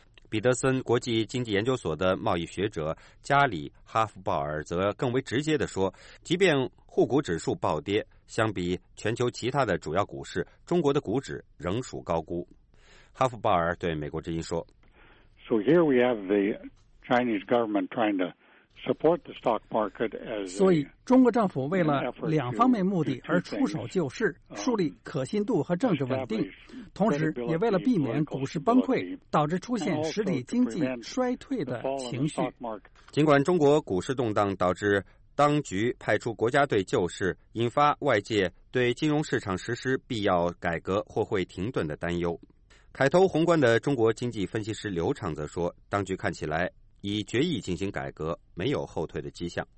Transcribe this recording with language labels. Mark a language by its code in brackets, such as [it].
[zh] 彼得森国际经济研究所的贸易学者加里·哈夫鲍尔则更为直接地说，即便沪股指数暴跌，相比全球其他的主要股市，中国的股指仍属高估。哈夫鲍尔对美国之音说， [en] So here we have the Chinese government trying to support the stock market as a [zh] 所以中国政府为了两方面目的而出手救市，树立可信度和政治稳定，同时也为了避免股市崩溃导致出现实体经济衰退的情绪。尽管中国股市动荡导致当局派出国家队救市，引发外界对金融市场实施必要改革或会停顿的担忧，凯投宏观的中国经济分析师刘畅则说，当局看起来已决意进行改革，没有后退的迹象。